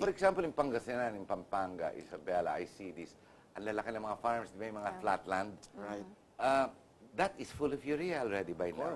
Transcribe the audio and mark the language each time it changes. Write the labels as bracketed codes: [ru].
[en] For example, in Pangasinan, in Pampanga, Isabela, I see this. [tl] Ang lalaki ng mga farms, di ba yung mga flat land? [en] Right. That is full of urea already by now.